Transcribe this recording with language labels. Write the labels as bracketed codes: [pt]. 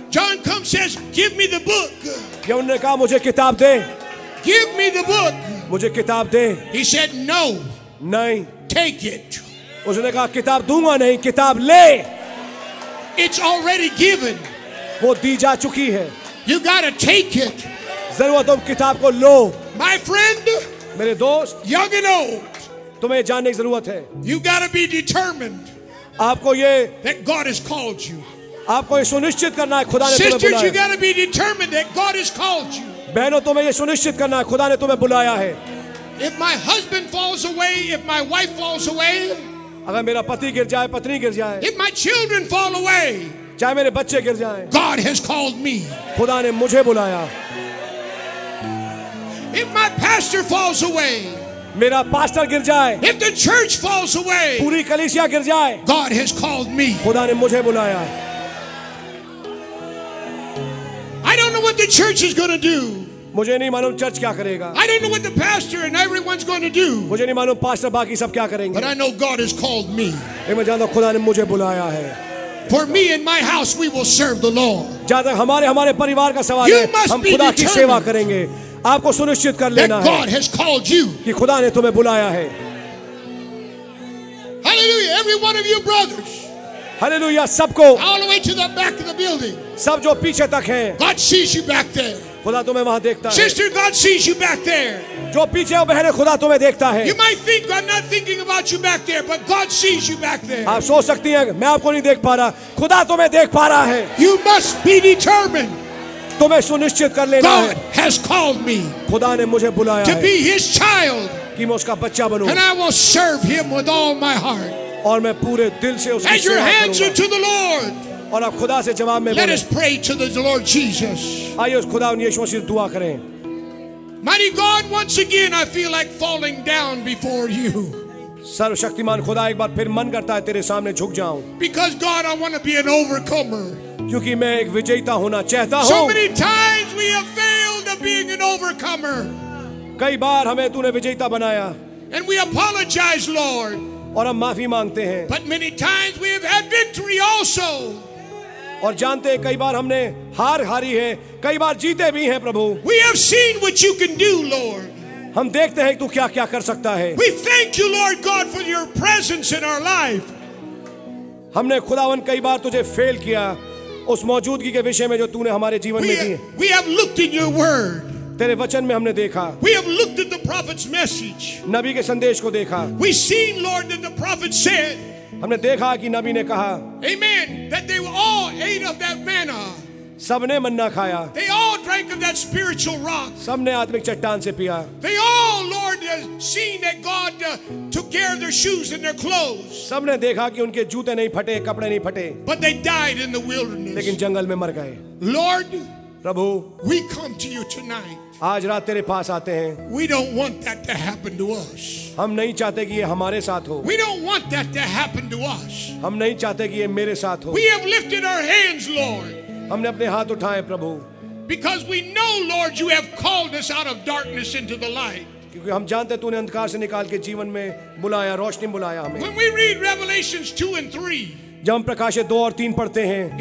[en] John comes says, give me the book. [hi] यूहन्ना ने कहा मुझे किताब दे. [en] Give me the book. [hi] मुझे किताब दे. [en] He said, no. [hi] नहीं. [en] Take it. [hi] उसने कहा किताब दूंगा नहीं, किताब ले. [en] It's already given. [hi] वो दी जा चुकी है. [en] You gotta take it. [hi] जरूरत तुम किताब को लो. [en] My friend, [hi] मेरे दोस्त, [en] young and old, [hi] तुम्हें जानने की जरूरत है. [en] You gotta be determined. [hi] आपको ये [en] that God has called you. [hi] आपको यह सुनिश्चित करना है खुदा ने तुम्हें बुलाया [en] Sisters, you got to be determined that God has called you. [hi] बहनों तुम्हें यह सुनिश्चित करना है खुदा ने तुम्हें बुलाया है [en] If my husband falls away, if my wife falls away, [hi] अगर मेरा पति गिर जाए पत्नी गिर जाए [en] If my children fall away, [hi] चाहे मेरे बच्चे गिर जाए [en] God has called me. [hi] खुदा ने मुझे बुलाया [en] If my pastor falls away, [hi] मेरा पास्टर गिर जाए [en] If the church falls away, [hi] पूरी कलीसिया गिर जाए [en] God has called me. [hi] खुदा ने मुझे बुलाया [en] I don't know what the church is going to do. [hi] मुझे नहीं मालूम चर्च क्या करेगा [en] I don't know what the pastor and everyone's going to do. [hi] मुझे नहीं मालूम पास्टर बाकी सब क्या करेंगे [en] But I know God has called me. [hi] मैं जानता हूं खुदा ने मुझे बुलाया है [en] For me and my house we will serve the Lord. [hi] जहां तक हमारे परिवार का सवाल है हम खुदा की सेवा करेंगे आपको सुनिश्चित कर लेना [en] God has called you. [hi] कि खुदा ने तुम्हें बुलाया है [en] Hallelujah, every one of you brothers. [hi] Hallelujah, सबको [en] All the way to the back of the building. [hi] सब जो पीछे तक हैं [en] God sees you back there. [hi] खुदा तुम्हें वहां देखता है [en] Sister, God sees you back there. [hi] जो पीछे हो बहने खुदा तुम्हें देखता है [en] You might think I'm not thinking about you back there, but God sees you back there. [hi] आप सोच सकती हैं मैं आपको नहीं देख पा रहा खुदा तुम्हें देख पा रहा है [en] You must be determined. [hi] तुम्हें सुनिश्चित कर लेना [en] God has called me. [hi] खुदा ने मुझे बुलाया [en] To be his child. [hi] कि मैं उसका बच्चा बनूं [en] And I will serve him with all my heart. [hi] और मैं पूरे दिल से उसकी सेवा करूंगा [en] As your hands are to the Lord. [hi] और आप खुदा से जवाब में [en] Let us pray to the Lord Jesus. [hi] आइए उस खुदा उन यीशु मसीह से दुआ करें [en] Mighty God, once again I feel like falling down before you. [hi] सर्वशक्तिमान खुदा एक बार फिर मन करता है तेरे सामने झुक जाऊं [en] Because God, I want to be an overcomer. [hi] क्योंकि मैं एक विजेता होना चाहता हूं [en] So many times we have failed of being an overcomer. [hi] कई बार हमें तूने विजेता बनाया [en] And we apologize, Lord. [hi] और हम माफी मांगते हैं [en] But many times we have had victory also. [hi] और जानते हैं कई बार हमने हार हारी है कई बार जीते भी हैं प्रभु [en] We have seen what you can do, Lord. [hi] हम देखते हैं तू क्या क्या कर सकता है [en] We thank you, Lord God, for your presence in our life. [hi] हमने खुदावन कई बार तुझे फेल किया उस मौजूदगी के विषय में जो तूने हमारे जीवन में दी [en] We have looked in your word. [hi] तेरे वचन में हमने देखा [en] We have looked at the prophet's message. [hi] नबी के संदेश को देखा [en] We seen, Lord, that the prophet said. [hi] हमने देखा कि नबी ने कहा [en] Amen, that they all ate of that manna. [hi] सबने मन्ना खाया [en] They all drank of that spiritual rock. [hi] सबने आत्मिक चट्टान से पिया [en] They all, Lord, seen that God took care of their shoes and their clothes. [hi] सबने देखा कि उनके जूते नहीं फटे कपड़े नहीं फटे [en] But they died in the wilderness. [hi] लेकिन जंगल में मर गए [en] Lord, [hi] Prabhu [en] We come to you tonight. [hi] आज रात तेरे पास आते हैं [en] We don't want that to happen to us. [hi] हम नहीं चाहते कि ये हमारे साथ हो [en] We don't want that to happen to us. [hi] हम नहीं चाहते कि ये मेरे साथ हो [en] We have lifted our hands, Lord. [hi] हमने अपने हाथ उठाए प्रभु [en] Because we know, Lord, you have called us out of darkness into the light. [hi] क्योंकि हम जानते हैं तूने अंधकार से निकाल के जीवन में बुलाया रोशनी बुलाया हमें [en] When we read Revelations 2 and 3, [hi] जब हम प्रकाशित 2 और 3 पढ़ते हैं